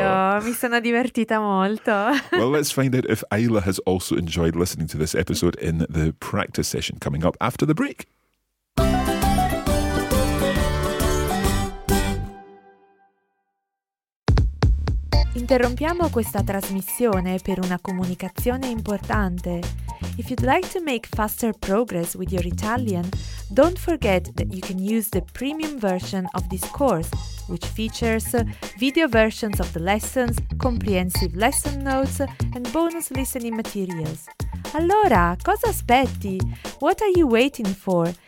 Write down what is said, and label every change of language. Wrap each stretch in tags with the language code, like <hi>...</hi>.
<it>Anch'io, mi sono divertita molto.</it> <en>Well, let's find out if Ayla has also enjoyed listening to this episode in the practice session coming up after the break.</en> <it>Interrompiamo questa trasmissione per una comunicazione importante.</it> <en>If you'd like to make faster progress with your Italian, don't forget that you can use the premium version of this course, which features video versions of the lessons, comprehensive lesson notes, and bonus listening materials.</en> <it>Allora, cosa aspetti?</it> <en>What are you waiting for?</en>